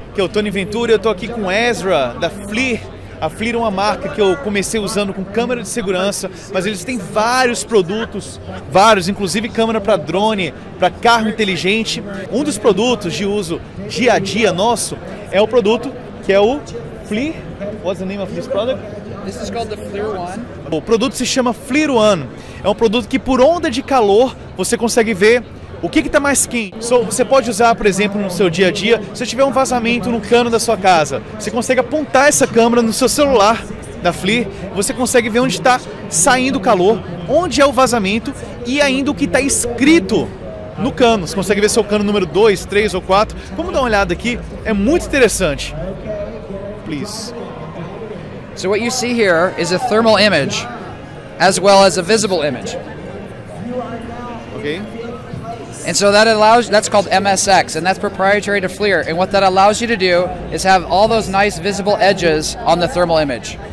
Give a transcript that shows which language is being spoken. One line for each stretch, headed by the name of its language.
Portuguese: Aqui é o Tony Ventura e eu tô aqui com Ezra, da FLIR. A FLIR é uma marca que eu comecei usando com câmera de segurança, mas eles têm vários produtos, vários, inclusive câmera para drone, para carro inteligente. Um dos produtos de uso dia a dia nosso é o produto que é o FLIR.
English: What's the name of this product? This is called the FLIR One.
Portuguese: O produto se chama FLIR One. É um produto que por onda de calor você consegue ver o que está mais quente. So, você pode usar, por exemplo, no seu dia a dia, se tiver um vazamento no cano da sua casa, você consegue apontar essa câmera no seu celular da FLIR, você consegue ver onde está saindo o calor, onde é o vazamento e ainda o que está escrito no cano. Você consegue ver se é o cano número 2, 3 ou 4. Vamos dar uma olhada aqui, é muito interessante.
English: Please. So what you see here is a thermal image as well as a visible image. Okay. And so that allows, that's called MSX, and that's proprietary to FLIR. And what that allows you to do is have all those nice visible edges on the thermal image.